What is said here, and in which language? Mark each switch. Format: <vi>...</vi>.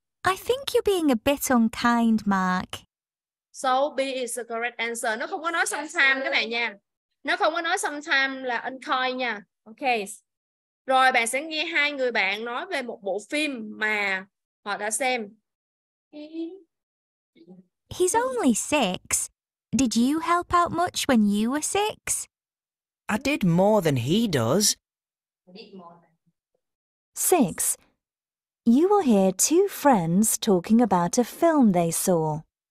<en>I think you're being a bit unkind, Mark. So B is the correct answer.</en> <vi>Nó không có nói sometimes các bạn nha. Nó không có nói sometimes là unkind nha. Okay. Rồi bạn sẽ nghe hai người bạn nói về một bộ phim mà họ đã xem.</vi> <en>He's only six. Did you help out much when you were six? I did more than he does. Six. You will hear two friends talking about a film they saw.</en>